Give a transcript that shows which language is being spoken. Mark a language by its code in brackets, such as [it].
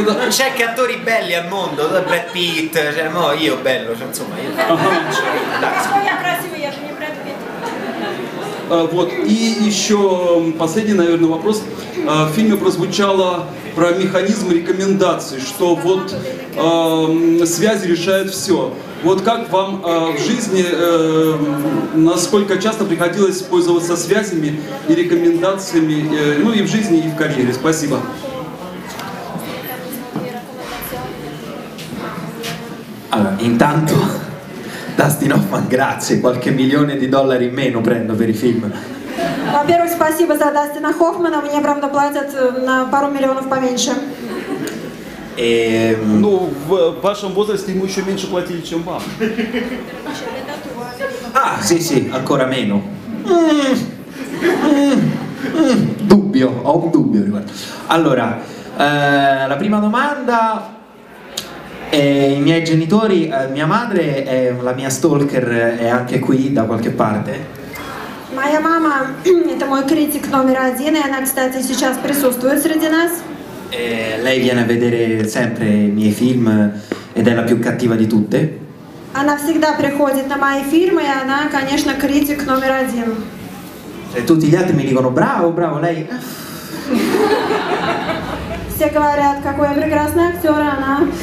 [it] C'è che attori belli al mondo, Brad Pitt, cioè, no, io bello, cioè, insomma, io. [ru] Вот, и еще последний, наверное, вопрос. В фильме прозвучало про механизм рекомендаций, что вот связи решают все. Вот как вам в жизни, насколько часто приходилось пользоваться связями и рекомендациями, ну и в жизни, и в карьере? Спасибо. [it] Allora, intanto, Dustin Hoffman, grazie, qualche milione di dollari in meno prendo per i film. [ru] Во-первых, спасибо за Дастина Хоффмана, мне правда платят на пару миллионов поменьше. Ну, в вашем возрасте ему еще меньше платили, чем вам. [it] А, sì, ancora meno. Dubbio, ho un dubbio riguardo. Allora, la prima domanda. I miei genitori, mia madre è la mia stalker, è anche qui da qualche parte. [ru] Моя мама это мой критик номер один, и она, кстати, сейчас присутствует среди нас. [it] Lei viene a vedere sempre i miei film ed è la più cattiva di tutte. [ru] Она всегда приходит на мои фильмы, и она, конечно, критик номер один. [it] E tutti gli altri mi dicono bravo, bravo, lei. [ru] Все говорят, какой я прекрасный актер, она.